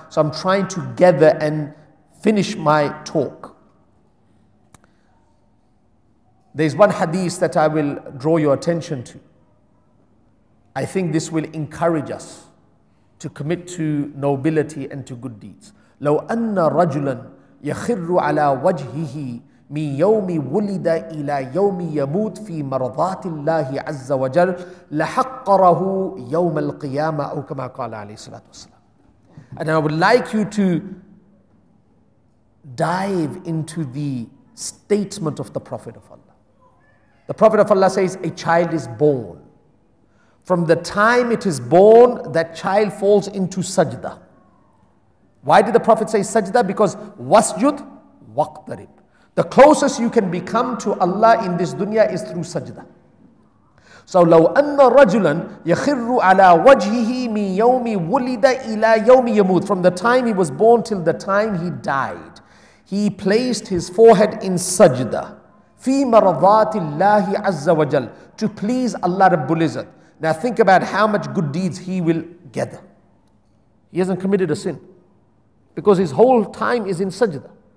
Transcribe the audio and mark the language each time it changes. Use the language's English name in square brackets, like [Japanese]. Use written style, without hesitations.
[English] So I'm trying to gather and finish my talk. There's one hadith that I will draw your attention to. I think this will encourage us to commit to nobility and to good deeds. [Arabic] لو أن رجلا يخر على وجهه من يوم ولد إلى يوم يموت في مرضات الله عز وجل لحقره يوم القيامة أو كما قال عليه الصلاة والسلام. [English] And I would like you to dive into the statement of the Prophet of Allah. The Prophet of Allah says, a child is born. From the time it is born, that child falls into sajda. Why did the Prophet say sajda? Because [Arabic] wasjud waqtarib. [English] The closest you can become to Allah in this dunya is through sajda. [Arabic] So لو أن رجلا يخر على وجهه من يوم ولد إلى يوم يموت. [English] From the time he was born till the time he died, he placed his forehead in sajda. [Arabic] في مرضات الله عز وجل. [English] To please Allah Rabbul Izzat. Now think about how much good deeds he will gather. He hasn't committed a sin because his whole time is in sajda.